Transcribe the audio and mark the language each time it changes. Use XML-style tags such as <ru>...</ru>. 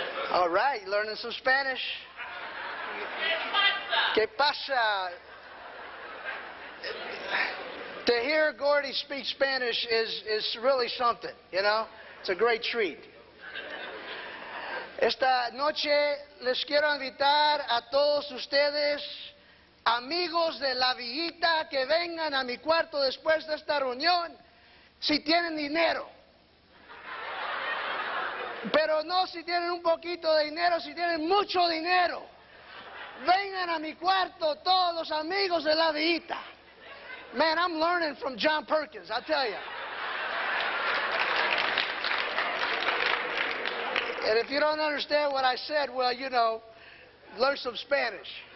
<en>All right, learning some Spanish.</en> <es>¿Qué pasa?</es> <en>To hear Gordy speak Spanish is really something, you know? It's a great treat.</en> <es>Esta noche les quiero invitar a todos ustedes, amigos de la villita, que vengan a mi cuarto después de esta reunión, si tienen dinero. Pero no si tienen un poquito de dinero, si tienen mucho dinero. Vengan a mi cuarto todos los amigos de la villita.</es> <en>Man, I'm learning from John Perkins, I'll tell you. And if you don't understand what I said, well, you know, learn some Spanish.</en>